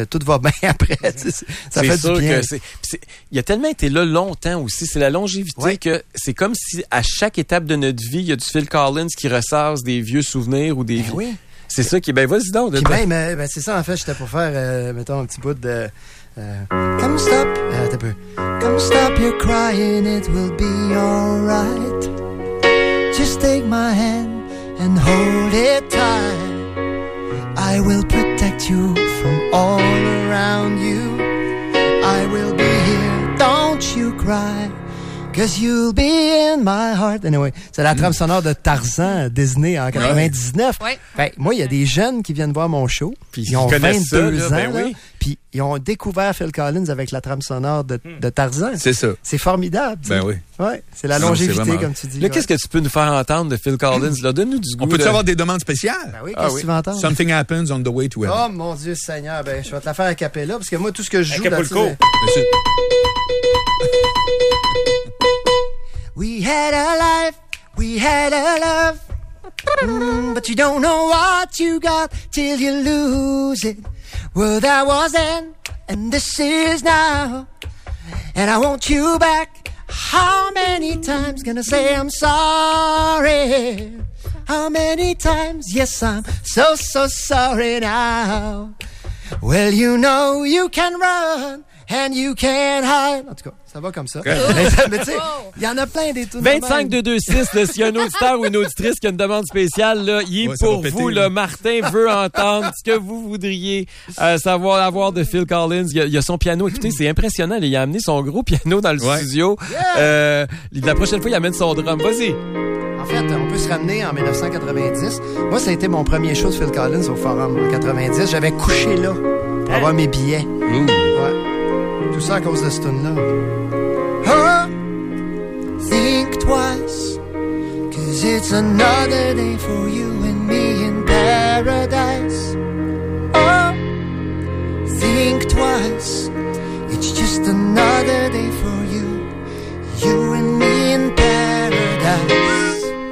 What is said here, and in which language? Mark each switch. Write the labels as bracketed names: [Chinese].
[French] Tout va bien après. Ça fait du bien. Il a tellement été là long temps aussi. C'est la longévité que c'est comme si à chaque étape de notre vie, il y a du Phil Collins qui ressasse des vieux souvenirs ou des... Ben oui. C'est ça qui est... Ben, vas-y donc. Ben, c'est ça, en fait. J'étais pour faire, mettons, un petit bout de... [English] Come stop... [French] T'as peu. [English] Come stop your crying, it will be alright. Just take my hand and hold it tight. I will protect you from all around you. I will be here. Don't you cry, 'cause you'll be in my heart. [French] Anyway, c'est la trame sonore de Tarzan, Disney en 99. Ouais. Ben, moi, il y a des jeunes qui viennent voir mon show. Puis ils ont 22 ça, ans. Ben oui. Puis ils ont découvert Phil Collins avec la trame sonore de Tarzan. C'est ça. C'est formidable. T'sais. Ben oui. Ouais, c'est la longévité, c'est vraiment... comme tu dis. Là, qu'est-ce que tu peux nous faire entendre de Phil Collins? Là, donne-nous du goût. On peut-tu avoir des demandes spéciales? Ben oui, qu'est-ce que tu veux entendre? [English] Something happens on the way to heaven. [French] Oh mon Dieu Seigneur, ben, je vais te la faire à capella parce que moi, tout ce que je joue... Acapulco. [English] We had a life, we had a love, but you don't know what you got till you lose it. Well, that was then, and this is now, and I want you back. How many times gonna say I'm sorry? How many times? Yes, I'm so, so sorry now. Well, you know you can run. And you can't hide. [French] En tout cas, ça va comme ça. Mais tu sais, il y en a plein des tout 25-226, s'il y a un auditeur ou une auditrice qui a une demande spéciale, là, il est pour vous. Péter, là. Martin veut entendre ce que vous voudriez savoir avoir de Phil Collins. Il y a son piano. Écoutez, c'est impressionnant. Il a amené son gros piano dans le studio. [English] Yeah. [French] La prochaine fois, il amène son drum. Vas-y. En fait, on peut se ramener en 1990. Moi, ça a été mon premier show de Phil Collins au Forum en 90. J'avais couché là pour avoir mes billets. Mmh. Ouais. Tout ça à cause de ce tune-là. [English] Oh, think twice, 'cause it's another day for you and me in paradise. Oh, think twice, it's just another day for you, you and me in paradise.